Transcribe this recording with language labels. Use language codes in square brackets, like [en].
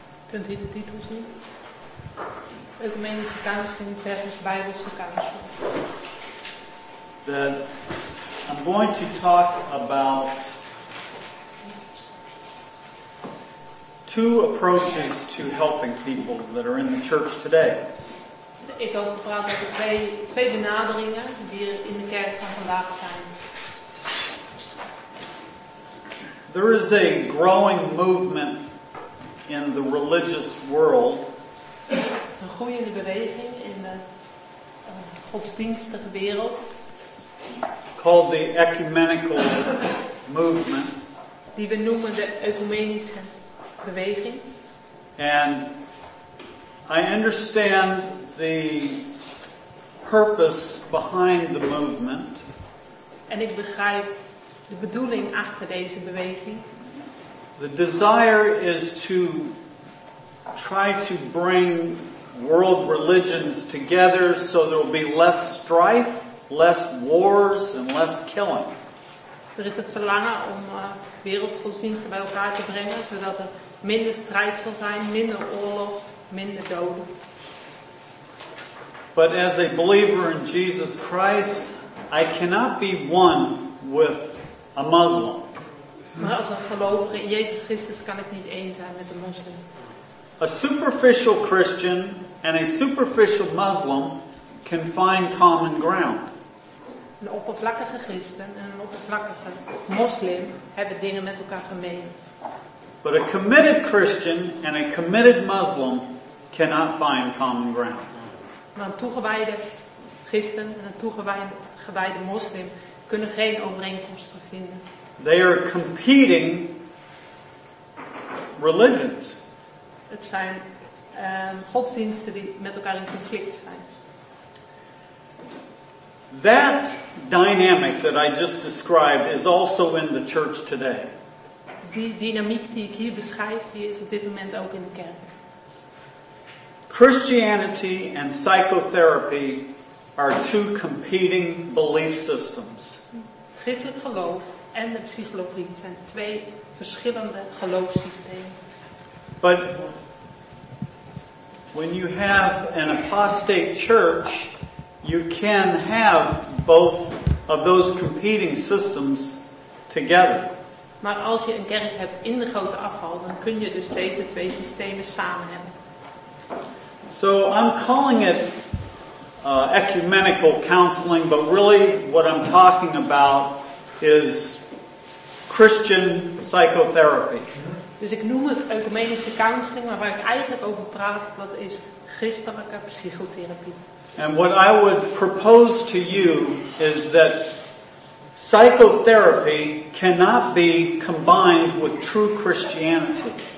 [nl] Kunt u de titel zien? Ecumenische Council versus Bijbelse Council. [en] That I'm going to talk about two approaches to helping people that are in the church today. [nl] Ik had gepraat over twee benaderingen die er in de kerk van vandaag zijn. [en] There is a growing movement in the religious world. [nl] Een groeiende beweging in de godsdienstige wereld. [en] Called the ecumenical movement. [nl] Die we noemen de ecumenische beweging. [en] And I understand the purpose behind the movement. [nl] En ik begrijp de bedoeling achter deze beweging. [en] The desire is to try to bring world religions together so there will be less strife, less wars, and less killing. [nl] Er is het verlangen om wereldgodsdiensten bij elkaar te brengen, zodat er minder strijd zal zijn, minder oorlog, minder doden. [en] But as a believer in Jesus Christ, I cannot be one with a Muslim. [nl] Maar als een gelovige in Jezus Christus kan ik niet één zijn met een moslim. [en] A superficial Christian and a superficial Muslim can find common ground. [nl] Een oppervlakkige christen en een oppervlakkige moslim hebben dingen met elkaar gemeen. [en] But a committed Christian and a committed Muslim cannot find common ground. [nl] Maar een toegewijde christen en een toegewijde moslim kunnen geen overeenkomsten vinden. [en] They are competing religions. [nl] Het zijn godsdiensten die met elkaar in conflict zijn. [en] That dynamic that I just described is also in the church today. [nl] Die dynamiek die ik hier beschrijf, die is op dit moment ook in de kerk. [en] Christianity and psychotherapy are two competing belief systems. [nl] Christelijk geloof en de psychologie zijn twee verschillende geloofssystemen. [en] But when you have an apostate church, you can have both of those competing systems together. [nl] Maar als je een kerk hebt in de grote afval, dan kun je dus deze twee systemen samen hebben. [en] So I'm calling it ecumenical counseling, but really what I'm talking about is Christian psychotherapy. [nl] Dus ik noem het ecumenische counseling, maar waar ik eigenlijk over praat, dat is christelijke psychotherapie. [en] And what I would propose to you is that psychotherapy cannot be combined with true Christianity.